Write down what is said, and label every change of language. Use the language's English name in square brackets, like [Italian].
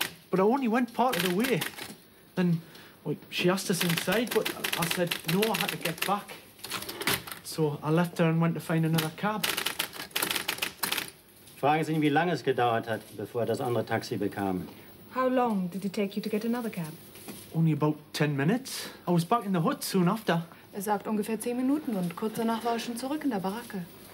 [English] But I only went part of the way. Then well, she asked us inside, but I said no, I had to get back. So I left her and went to find another cab. [German] Fragen Sie ihn, wie lange es gedauert hat, bevor er das andere Taxi bekam. [English] How long did it take you to get another cab? Only about 10 minutes. I was back in the hut soon after. [German] Er sagt ungefähr 10 Minuten und kurz danach war er schon zurück in der Baracke.